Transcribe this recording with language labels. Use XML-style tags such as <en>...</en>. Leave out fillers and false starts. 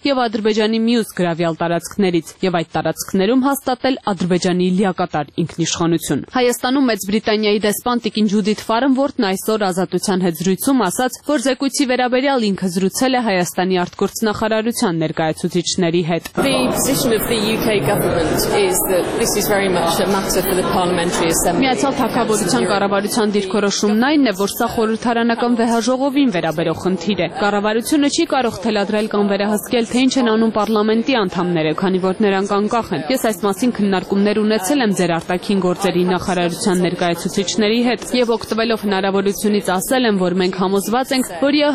<hy>եւ Ադրբեջանի մյուս գրավյալ տարածքներից եւ այդ տարածքներում հաստատել Ադրբեջանի լիակատար ինքնիշխանություն։ Հայաստանում Մեծ Բրիտանիայի դեսպանտիկին Ջուդիթ Ֆարմվորթն այսօր ազատության հետ զրույցում ասաց, որ զեկույցի վերաբերյալ ինքը զրուցել է Հայաստանի արտգործնախարարության ներկայացուցիչների հետ։</hy> <en>The UK government is that this is very much a matter for the parliamentary assembly.</en> <hy>Միացյալ Թագավորության կառավարության դիրքորոշումն այն է, որ սա խորհրդարանական վեհաժողովին վերաբերող խնդիր է։ Կառավարությունը չի կարող թելադրել կամ վերահսկել, թե ինչ են անում parlamenti անդամները, քանի որ նրանք անկախ են։ Ես այս մասին քննարկումներ ունեցել եմ ձեր արտաքին գործերի նախարարության ներկայացուցիչների հետ եւ օգտվելով հնարավորությունից ասել եմ, որ մենք համոզված ենք, որ</hy>